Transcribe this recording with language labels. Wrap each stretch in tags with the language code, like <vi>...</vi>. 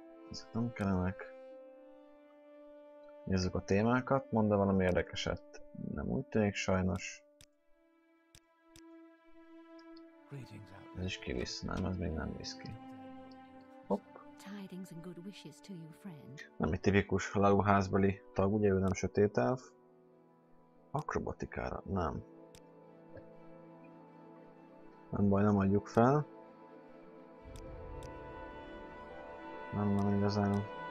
<hu>Ezek nem kellenek. Nézzük a témákat, mondd el valami érdekeset. Nem úgy tűnik sajnos. Ez is kivisz, nem, ez még nem visz ki.</hu> <en>Tidings and good wishes to you, friend.</en> <hu>Nem egy tipikus lagúházbeli tag, ugye ő nem sötét elf. Akrobatikára? Nem. Nem baj, nem adjuk fel. Nem igazán...</hu>